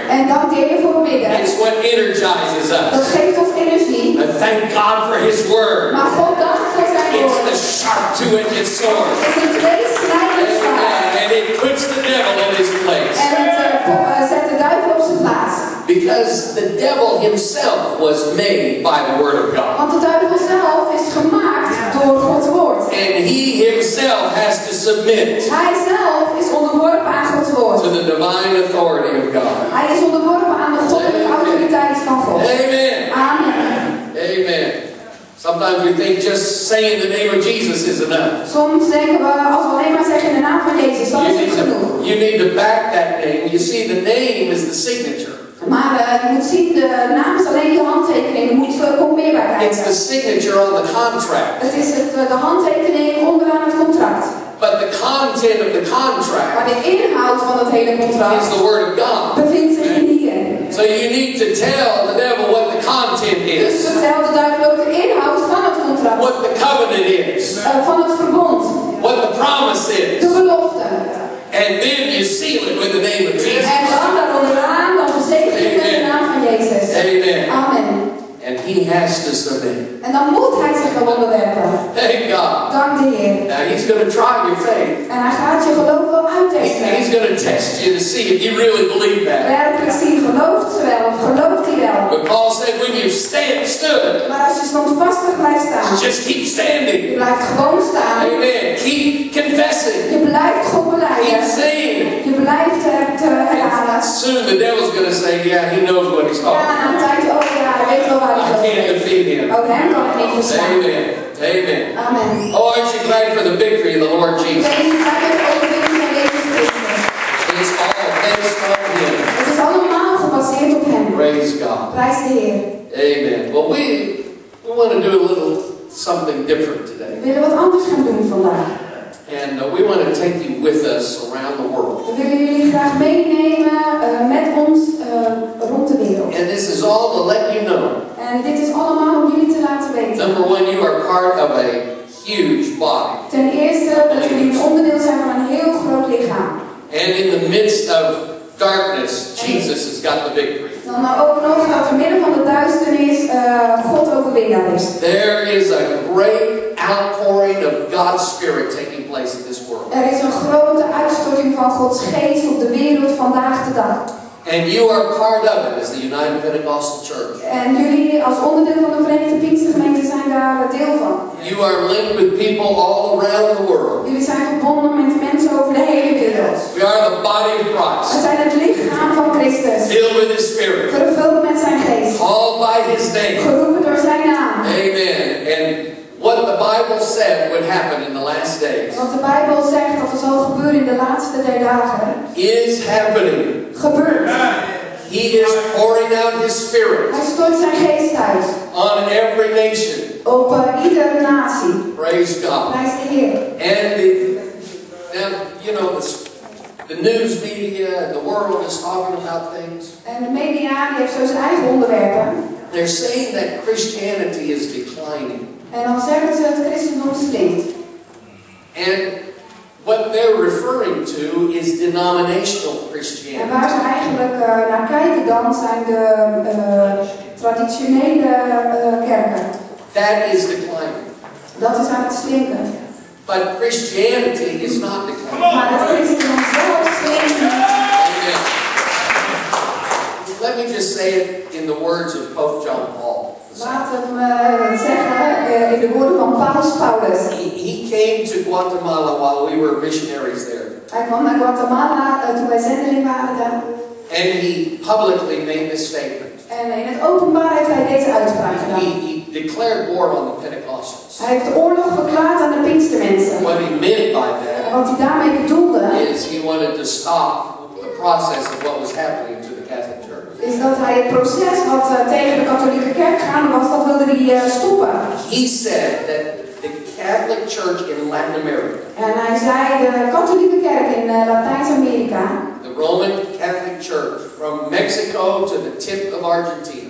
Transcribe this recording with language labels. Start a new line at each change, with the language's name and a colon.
Dutch: En dank de Heer voor bidden.
English: That's what energizes us.
Dutch: Dat geeft ons energie.
English: But thank God for his word.
Dutch: Maar God dank voor zijn woord.
English: It's the sharp two-edged sword.
Dutch: Het is een tweesnijdend zwaard.
English: And it puts the devil in his place.
Dutch: En het zet de duivel op zijn plaats.
English: Because the devil himself was made by the word of God.
Dutch: Want de duivel zelf is gemaakt door Gods woord.
English: And he himself has to submit.
Dutch: Hij zelf is onderworpen aan Gods woord.
English: To the divine authority of God.
Dutch: Hij is onderworpen aan de goddelijke autoriteit van God.
English: Amen. Amen. Amen. Sometimes we think just saying the name of Jesus is enough.
Dutch: Soms denken we, als we alleen maar zeggen de naam van Jezus, dan is het genoeg.
English: You need to back that name. You see, the name is the signature.
Dutch: Maar je moet zien, de naam is alleen je handtekening. Je moet gewoon meewerken.
English: It's the signature on the contract.
Dutch: Het is de handtekening onderaan het contract.
English: But the content of the contract.
Dutch: Maar de inhoud van het hele contract.
English: Is the word of God.
Dutch: Bevindt zich in hier.
English: So you need to tell the devil what the content is.
Dutch: Dus vertel de duivel ook de inhoud van het contract.
English: What the covenant is.
Dutch: Van het verbond.
English: What the promise is.
Dutch: De belofte.
English: And then you seal it with the name of Jesus.
Dutch: En dan dat onderaan dan verzegelt in de naam van Jezus.
English: Amen. Amen. And he has to submit.
Dutch: En dan moet hij zich gewoon onderwerpen.
English: Thank God.
Dutch: Dank de Heer.
English: Now he's going to try your faith.
Dutch: En hij gaat je geloof wel uittesten.
English: He's going to test you to see if you really believe that.
Dutch: Werkelijk zien, gelooft ze wel of gelooft hij wel?
English: But Paul said, when you stand, stood.
Dutch: Maar als je standvastig blijft staan.
English: Just keep standing.
Dutch: Je blijft gewoon staan.
English: Amen. Keep confessing.
Dutch: Je blijft God beleiden.
English: Keep saying.
Dutch: Je blijft het herhalen.
English: Soon the devil's going to say, yeah, he knows what he's talking about.
Dutch: Ja, na een tijd ook, ja, hij weet wel.
English: I can't defeat him.
Dutch: Ook hem kan ik niet verslaan.
English: Amen. Amen. Amen. Oh, aren't you glad for the victory of the Lord Jesus? It's all based on him.
Dutch: Het is allemaal gebaseerd op hem.
English: Praise God.
Dutch: Prijs de Heer.
English: Amen. Well, we want to do a little something different today.
Dutch: We willen wat anders gaan doen vandaag.
English: And we want to take you with us around the world.
Dutch: We willen jullie graag meenemen met ons rond de wereld.
English: And this is all to let you know.
Dutch: En dit is allemaal om jullie te laten weten.
English: Number one, you are part of a huge body.
Dutch: Ten eerste dat jullie een onderdeel zijn van een heel groot lichaam.
English: And in the midst of darkness, Jesus has got the victory.
Dutch: Dan maar ook nog dat in midden van de duisternis God overwinnaar is.
English: There is a great outpouring of God's Spirit taking place in this world.
Dutch: Er is een grote uitstorting van Gods geest op de wereld vandaag de dag.
English: And you are part of it as the United Pentecostal Church.
Dutch: En jullie als onderdeel van de Verenigde Pinkstergemeente zijn daar deel van.
English: You are linked with people all around the world.
Dutch: Jullie zijn verbonden met mensen over de hele wereld.
English: We are the body of Christ.
Dutch: We zijn het lichaam van Christus.
English: Filled with His Spirit.
Dutch: Vervuld met zijn geest.
English: Called by His name.
Dutch: Geroepen door zijn naam.
English: Amen. And what the Bible said would happen in the last days.
Dutch: Wat de Bijbel zegt dat er zal gebeuren in de laatste der dagen.
English: Is happening.
Dutch: Gebeurt.
English: He is pouring out His Spirit.
Dutch: Hij stort zijn geest uit.
English: On every nation.
Dutch: Op ieder natie.
English: Praise God.
Dutch: Prijs de Heer.
English: And you know, the news media, the world is talking about things.
Dutch: En de media die heeft zo zijn eigen onderwerpen.
English: They're saying that Christianity is declining.
Dutch: En dan zeggen ze dat het christendom slinkt.
English: And what they're referring to is denominational Christianity.
Dutch: En waar ze eigenlijk naar kijken dan zijn de traditionele kerken.
English: That is declining.
Dutch: Dat is aan het slinken.
English: But Christianity is not declining.
Dutch: Maar het christendom zelf slinkt.
English: Amen. Let me just say it in the words of Pope John Paul.
Dutch: Laten we zeggen in de woorden van Paulus.
English: He came to Guatemala while we were missionaries there.
Dutch: Hij kwam naar Guatemala toen wij zendeling waren daar.
English: And he publicly made this statement.
Dutch: En in het openbaar heeft hij deze uitspraak gedaan.
English: He declared war on the Pentecostals.
Dutch: Hij heeft oorlog verklaard aan de Pinkstermensen.
English: What he meant by that.
Dutch: En wat hij daarmee bedoelde.
English: Is he wanted to stop the process of what was happening to the Catholic Church.
Dutch: Is dat hij het proces wat tegen de katholieke kerk gaan was, dat wilde hij stoppen.
English: He said that the Catholic Church in Latin America.
Dutch: En hij zei de katholieke kerk in Latijns-Amerika.
English: The Roman Catholic Church from Mexico to the tip of Argentina.